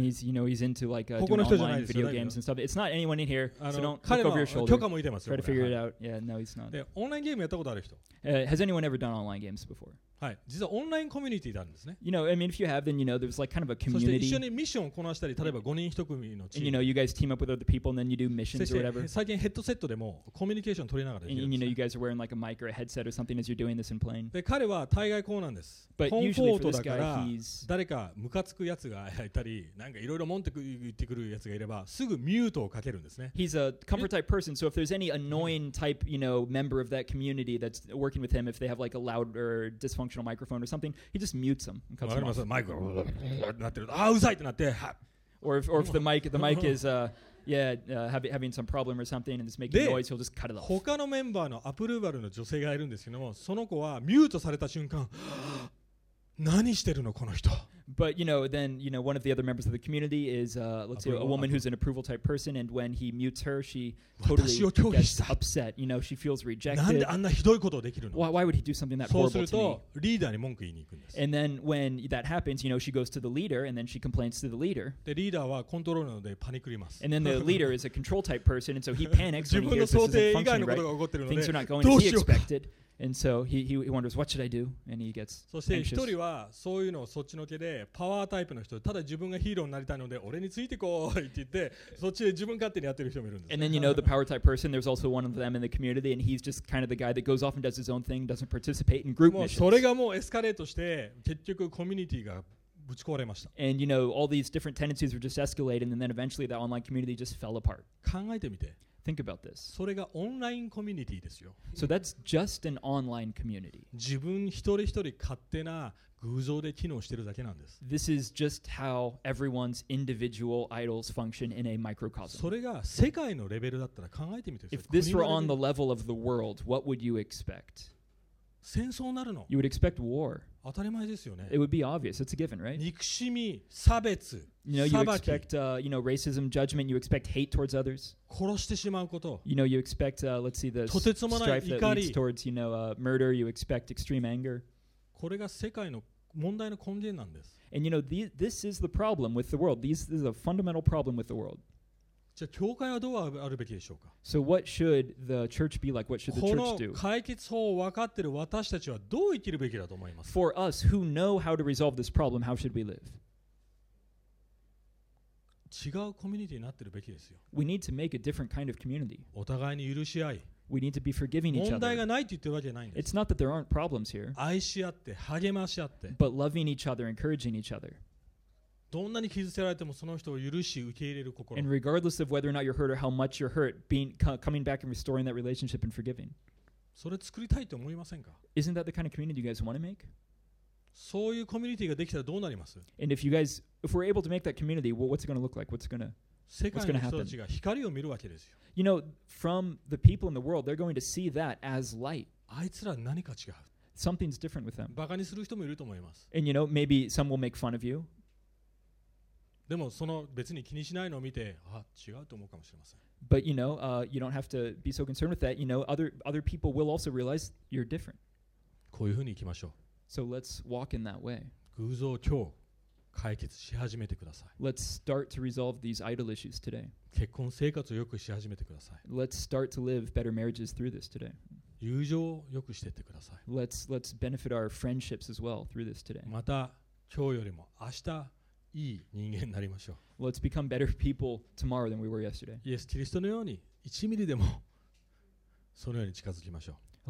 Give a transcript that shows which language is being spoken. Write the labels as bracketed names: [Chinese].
[English] And he's, you know, he's into like doing online video games and stuff. It's not anyone in here, so don't look over your shoulder. [Japanese] 許可もいてますよ。 [English] Try to figure it out. Yeah, no, he's not. [Japanese] で、オンラインゲームやったことある人。 [English] Has anyone ever done online games before? [Japanese] はい。実はオンラインコミュニティなんですね。 [English] You know, I mean, if you have, then you know, there's like kind of a community. [Japanese] そして一緒にミッションをこなしたり、例えば5人一組のチーム。 [English] And you know, you guys team up with other people and then you do missions or whatever. [Japanese] 最近ヘッドセットでもコミュニケーション取りながらできるんですね。 [English] And you know, you guys are wearing like a mic or a headset or something as you're doing this and playing. [Japanese] で、彼は大概こうなんです。 [English] But usually for this guy, he's [Japanese] 誰かムカつくやつがいたり、なんかいろいろ文句言ってくるやつがいれば、すぐミュートをかけるんですね。 [English] He's a comfort type person, so if there's any annoying type, you know, member of that community that's working with him, if they have like a loud or dysfunctional microphone or something, he just mutes them and cuts them off. [Japanese] マイクがなってる。あ、うざいってなって。 [English] Or if the mic is having some problem or something and it's making noise, he'll just cut it off. [Japanese] 他のメンバーのアプローバルの女性がいるんですけども、その子はミュートされた瞬間。何してるのこの人? [English] But you know, then you know, one of the other members of the community is, let's say, a woman who's an approval type person, and when he mutes her, she totally gets upset. You know, she feels rejected. [Japanese] なんであんなひどいことをできるの? [English] Why would he do something that horrible to me? [Japanese] そうするとリーダーに文句言いに行くんです。 [English] And then when that happens, you know, she goes to the leader, and then she complains to the leader. [Japanese] でリーダーはコントロールでパニクります。 [English] And then the leader is a control type person, and so he panics when he hears this isn't functioning right. Things are not going as he expected. And so he wonders, what should I do? And he gets anxious. [Japanese] そして一人はそういうのをそっちのけでパワータイプの人、ただ自分がヒーローになりたいので俺についてこいって言って、そっちで自分勝手にやってる人もいるんです。 [English] And then you know the power type person, there's also one of them in the community, and he's just kind of the guy that goes off and does his own thing, doesn't participate in group missions. [Japanese] もうそれがもうエスカレートして、結局コミュニティがぶち壊れました。 [English] And you know, all these different tendencies were just escalating, and then eventually that online community just fell apart. [Japanese] 考えてみて。 [English] Think about this. [Japanese] それがオンラインコミュニティですよ。 [English] So that's just an online community. [Japanese] 自分一人一人勝手な偶像で機能してるだけなんです。 [English] This is just how everyone's individual idols function in a microcosm. [Japanese] それが世界のレベルだったら考えてみてください。 [English] If this were on the level of the world, what would you expect? [Japanese] 戦争になるの? [English] You would expect war. [Japanese] 当たり前ですよね。 [English] It would be obvious. It's a given, right? [Japanese] 憎しみ、差別、裁き。 [English] You know, you expect, you know, racism, judgment. You expect hate towards others. [Japanese] 殺してしまうこと。 [English] You know, you expect, let's see, the strife that leads towards, you know, murder. You expect extreme anger. [Japanese] これが世界の問題の根源なんです。 [English] And you know, this is the problem with the world. This is a fundamental problem with the world. [Japanese] じゃあ教会はどうあるべきでしょうか? [English] So what should the church be like? What should the church do? [Japanese] この解決法を分かっている私たちはどう生きるべきだと思います? [English] For us who know how to resolve this problem, how should we live? [Japanese] 違うコミュニティになっているべきですよ。 [English] We need to make a different kind of community. [Japanese] お互いに許し合い。 [English] We need to be forgiving each other. [Japanese] 問題がないって言ってるわけじゃないんです。 [English] It's not that there aren't problems here. [Japanese] 愛し合って、励まし合って。 [English] But loving each other, encouraging each other. [Japanese] どんなに傷つけられてもその人を許し受け入れる心。 [English] And regardless of whether or not you're hurt or how much you're hurt, coming back and restoring that relationship and forgiving. [Japanese] それ作りたいと思いませんか? [English] Isn't that the kind of community you guys want to make? [Japanese] そういうコミュニティができたらどうなります? [English] And if we're able to make that community, what's it going to look like? What's going to happen? [Japanese] 世界の人たちが光を見るわけですよ。 [English] You know, from the people in the world, they're going to see that as light. [Japanese] あいつら何か違う。 [English] Something's different with them. [Japanese] バカにする人もいると思います。 [English] And you know, maybe some will make fun of you. [Japanese] でもその別に気にしないのを見て、あ、違うと思うかもしれません。 [English] But you know, you don't have to be so concerned with that. You know, other people will also realize you're different. [Japanese] こういうふうにいきましょう。 [English] So let's walk in that way. [Japanese] 偶像今日解決し始めてください。 [English] Let's start to resolve these idol issues today. [Japanese] 結婚生活を良くし始めてください。 [English] Let's start to live better marriages through this today. [Japanese] 友情を良くしてってください。 [English] Let's benefit our friendships as well through this today. [Japanese] また今日よりも明日。いい人間になりましょう。 [English] Let's become better people tomorrow than we were yesterday. [Japanese] イエス・キリストのように1ミリでもそのように近づきましょう。